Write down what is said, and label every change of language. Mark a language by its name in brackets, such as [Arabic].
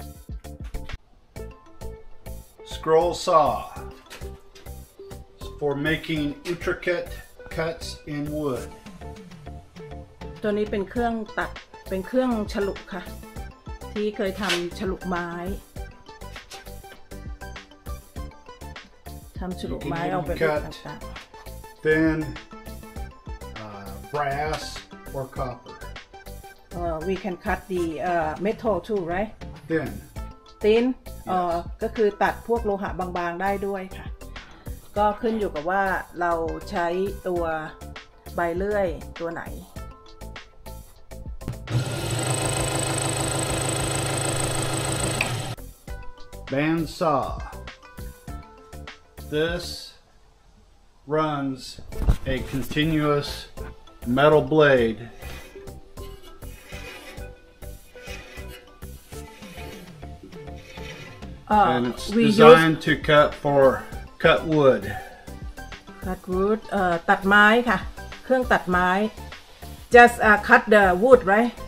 [English] Scroll sawFor making intricate cuts in wood. [Thai] ตัวนี้เป็นเครื่องตัดเป็นเครื่องฉลุค่ะที่เคยทำฉลุไม้ทำฉลุไม้ออกเป็นต่าง [English] ๆ Thin brass or copper. We can cut the metal too, right? Thin. Thin. [Thai] ก็คือตัดพวกโลหะบางๆได้ด้วยค่ะก็ขึ้นอยู่กับว่าเราใช้ตัวใบเลื่อยตัวไหน [English] Bandsaw This runs a continuous metal blade and it's designed to cut wood. Cut wood. [Thai] ตัดไม้ค่ะเครื่องตัดไม้ [English] just cut the wood right?